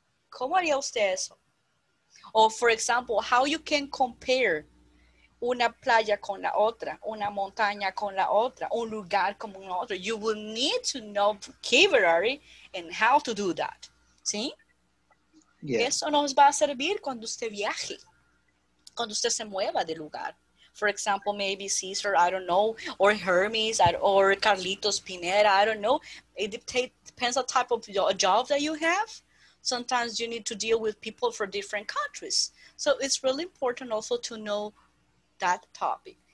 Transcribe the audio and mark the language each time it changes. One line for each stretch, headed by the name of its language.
Spanish: ¿Cómo haría usted eso?
English: Or for example, how you can compare
Spanish: una playa con la otra, una montaña con la otra, un lugar con un otro.
English: You will need to know vocabulary and how to do that.
Spanish: ¿Sí? Yeah. Eso nos va a servir cuando usted viaje, cuando usted se mueva de lugar.
English: For example, maybe Caesar, I don't know, or Hermes, or Carlitos Pineda, I don't know. It depends on the type of job that you have. Sometimes you need to deal with people from different countries. So it's really important also to know that topic.